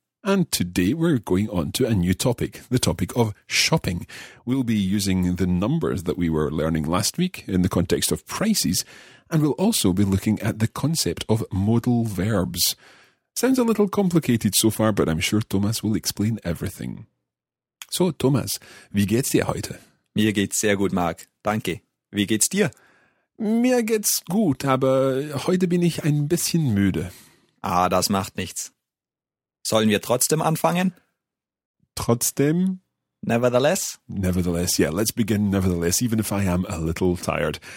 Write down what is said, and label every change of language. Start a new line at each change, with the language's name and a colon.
English: And today we're going on to a new topic, the topic of shopping. We'll be using the numbers that we were learning last week in the context of prices, and we'll also be looking at the concept of modal verbs. Sounds a little complicated so far, but I'm sure Thomas will explain everything.
German: So, Thomas, wie geht's dir heute? Mir geht's sehr gut, Marc. Danke. Wie geht's dir? Mir geht's gut, aber heute bin ich ein bisschen müde. Ah, das macht nichts. Sollen wir trotzdem anfangen? Trotzdem?
English: Nevertheless? Nevertheless, yeah. Let's begin nevertheless, even if I am a little tired.